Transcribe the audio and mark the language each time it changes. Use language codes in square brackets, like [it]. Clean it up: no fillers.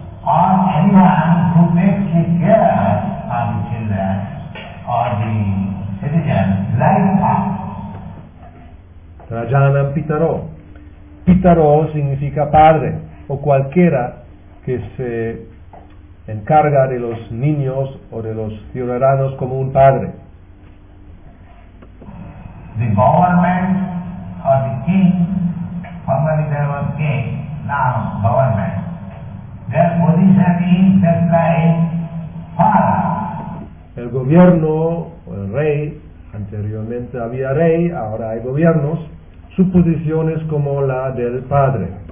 [en] Or anyone who makes his care on the children or the citizen like that. [sa] Prajanam pitaro. [es] Pitaro significa padre o cualquiera que se encarga de los niños o de los ciudadanos como un padre. [en] the government or the king, formerly there was king, now government, their position is just like father. [es] El gobierno, o el rey, anteriormente había rey, ahora hay gobiernos, su posición es como la del padre.